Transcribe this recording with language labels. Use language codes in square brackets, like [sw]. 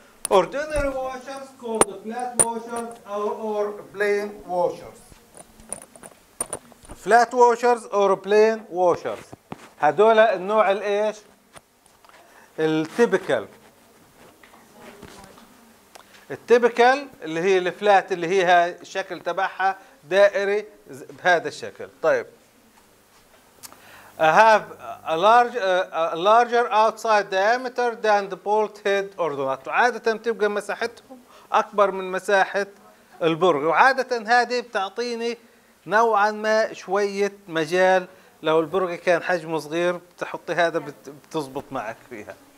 [en] Ordinary washers called the flat washers or plain washers. Flat washers or plain washers. [ar] هدول النوع الايش؟ التيبيكال. التيبيكال اللي هي الفلات اللي هي الشكل تبعها دائري بهذا الشكل. طيب. [en] I have a larger outside diameter than the bolt head or the nut. [ar] عادة بتبقى مساحتهم أكبر من مساحة البرغ، وعادة هذه بتعطيني نوعا ما شوية مجال. لو البرغي كان حجمه صغير بتحطي هذا بتزبط معك فيها.